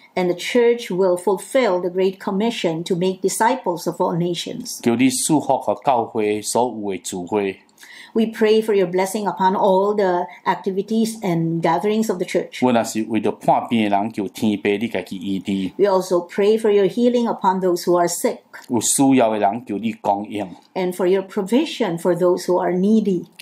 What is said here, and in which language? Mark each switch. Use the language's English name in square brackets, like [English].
[English] And the church will fulfill the great commission to make disciples of all nations， [Chinese] 求你赐福和教会所有的聚会。 [English] We pray for your blessing upon all the activities and gatherings of the church. We also pray for your healing upon those who are sick. And for your provision for those who are needy.